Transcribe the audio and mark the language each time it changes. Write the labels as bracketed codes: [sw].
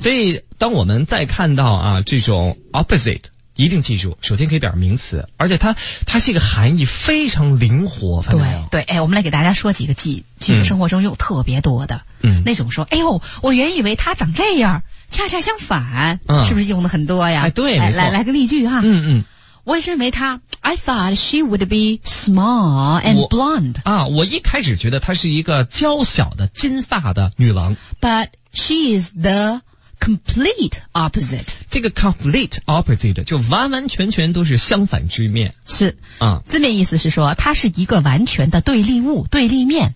[zh] 所以当我们再看到啊这种 opposite， 一定记住，首先可以表示名词，而且它是一个含义非常灵活。对对，哎，我们来给大家说几个句子，生活中用特别多的，嗯，那种说，哎呦，我原以为它长这样，恰恰相反，嗯，是不是用的很多呀？哎，对，来个例句哈，嗯嗯。我认为她 [en] I thought she would be small and blonde [zh] 啊，我一开始觉得她是一个娇小的金发的女郎 [en] But she is the complete opposite [zh] 这个 complete opposite 就完完全全都是相反之面是啊，字面意思是说她是一个完全的对立物对立面